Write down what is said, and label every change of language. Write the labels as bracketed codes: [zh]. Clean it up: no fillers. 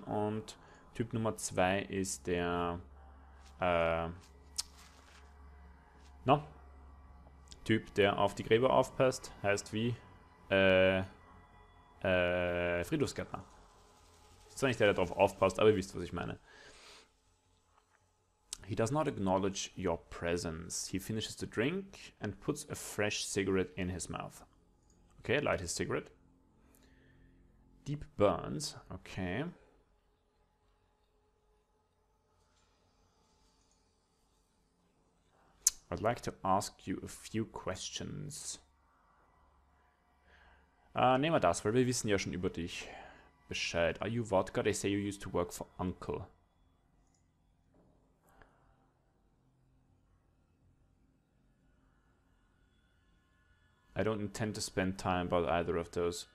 [de] Und Typ Nummer 2 ist der, Typ, der auf die Gräber aufpasst, heißt wie, Friedhofsgärtner. Ist zwar nicht der, der darauf aufpasst, aber ihr wisst, was ich meine. [en] He does not acknowledge your presence. He finishes the drink and puts a fresh cigarette in his mouth. Okay, light his cigarette. Deep burns. Okay. I'd like to ask you a few questions. [de] Nehmen wir das, weil wir wissen ja schon über dich Bescheid. [en] Are you vodka? They say you used to work for Uncle. I I don't intend to spend time about either of those.